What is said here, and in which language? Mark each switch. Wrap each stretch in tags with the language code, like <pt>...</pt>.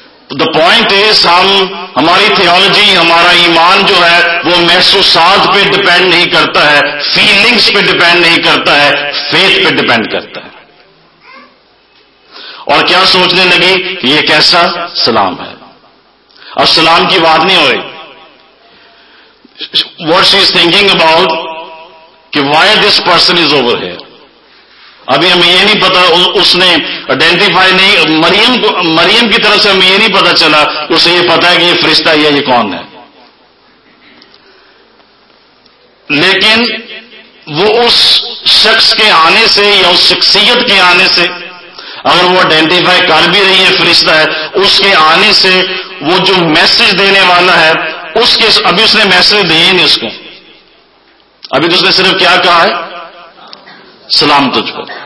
<en>the point is</en> <ur>ہماری theology, ہمارا ایمان جو ہے وہ محسوسات پہ ڈپینڈ نہیں کرتا ہے, فیلنگس پہ ڈپینڈ نہیں کرتا ہے, فیتھ پہ ڈپینڈ کرتا ہے. اور کیا سوچنے لگی کہ یہ کیسا سلام ہے. اب سلام کی بات نہیں ہوئی.</ur> <en>What she is thinking about کہ why this person is over here.</en> <ur>ابھی ہمیں یہ نہیں پتا, اس نے آئیڈینٹیفائی نہیں, مریم کی طرف سے ہمیں یہ نہیں پتا چلا, اسے یہ پتا ہے کہ یہ فرشتہ ہے, یہ کون ہے. لیکن وہ اس شخص کے آنے سے یا اس شخصیت کے آنے سے, اگر وہ آئیڈینٹیفائی کر بھی رہی ہے فرشتہ ہے, اس کے آنے سے وہ جو میسج دینے والا ہے اس کے, ابھی اس نے میسج دیے نہیں اس کو, ابھی تو اس نے صرف کیا کہا ہے, سلام تجھ کو.</ur>